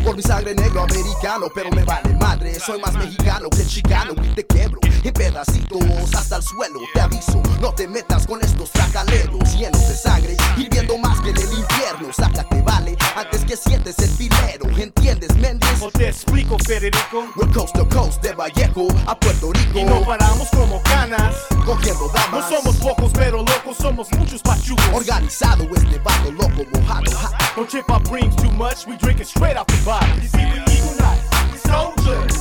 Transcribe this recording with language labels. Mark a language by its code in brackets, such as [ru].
[es] Por mi sangre negro americano, pero me vale madre. Soy más mexicano que chicano y te quebro. En pedacitos hasta el suelo, te aviso, no te metas con estos tracaleros llenos de sangre, hirviendo más que en el infierno. Sácate, vale, antes que sientes el filero, ¿entiendes, Méndez? O te explico, Federico. [en] We're coast to coast, [es] de Vallejo a Puerto Rico. Y no paramos como canas, cogiendo damas. No somos pocos, pero locos, somos muchos pachugos. Organizado este vato loco, mojado. Ha. [en] Don't chip our brains too much, we drink it straight out the bottle. You see, we Eagle Knights, we soldiers.